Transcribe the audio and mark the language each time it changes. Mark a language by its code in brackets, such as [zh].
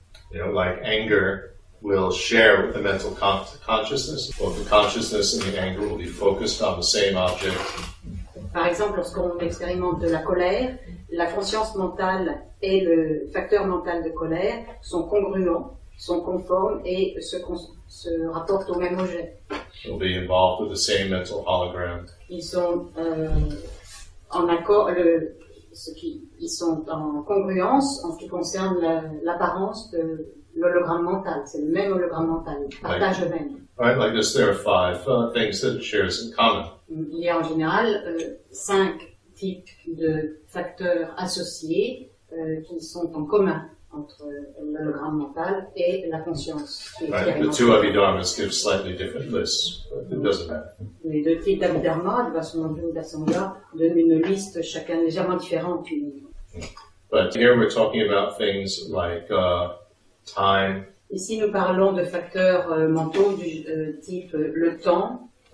[en] You know, like anger will share with the mental consciousness. Both the consciousness and the anger will be focused on the same object. [fr] Par exemple, lorsqu'on expérimente de la colère, la conscience mentale et le facteur mental de colère sont congruents, sont conformes et se rapportent au même objet. [en] They'll be involved with the same mental hologram. [fr] Ils sont en accord, ils sont en congruence en ce qui concerne l'apparence de l'hologramme mental. C'est le même hologramme mental, partage le même. [en] Right, like this, there are five things that it shares in common. [fr] Il y a en général cinq types de facteurs associés qui sont en commun entre l'hologramme mental et la conscience. [en] Right, the two abhidharmas give slightly different lists, but it doesn't matter. [fr] les deux types d'abhidharma, de vasanabhu, dasanga, donnent une liste chacun légèrement différente. [en] But here we're talking about things like time. [fr] Ici nous parlons de facteurs mentaux du type le temps.